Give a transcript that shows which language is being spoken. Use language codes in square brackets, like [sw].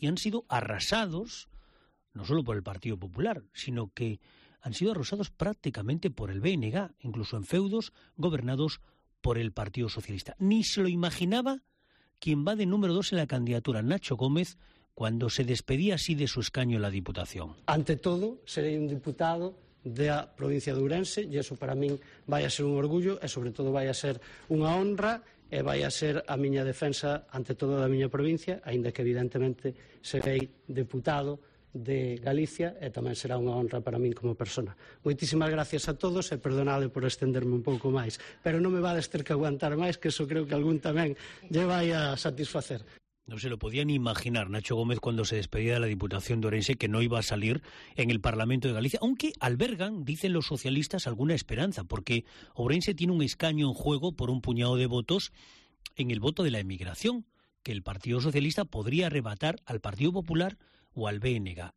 [es] Y han sido arrasados, no solo por el Partido Popular, sino que han sido arrasados prácticamente por el BNG, incluso en feudos gobernados por el Partido Socialista. Ni se lo imaginaba quien va de número 2 en la candidatura, Nacho Gómez, cuando se despedía así de su escaño en la Diputación. [gl] Ante todo, seré un diputado de la provincia de Ourense, y eso para mí vai a ser un orgullo, e sobre todo vai a ser unha honra, e vai a ser a miña defensa ante todo da miña provincia, ainda que evidentemente serei diputado de Galicia, e tamén será unha honra para mí como persona. Moitísimas gracias a todos, e perdonade por estenderme un pouco máis, pero non me vades ter que aguantar máis, que eso creo que algún tamén lle vai a satisfacer. [es] No se lo podían imaginar, Nacho Gómez, cuando se despedía de la Diputación de Orense, que no iba a salir en el Parlamento de Galicia, aunque albergan, dicen los socialistas, alguna esperanza, porque Orense tiene un escaño en juego por un puñado de votos en el voto de la emigración, que el Partido Socialista podría arrebatar al Partido Popular o al BNG.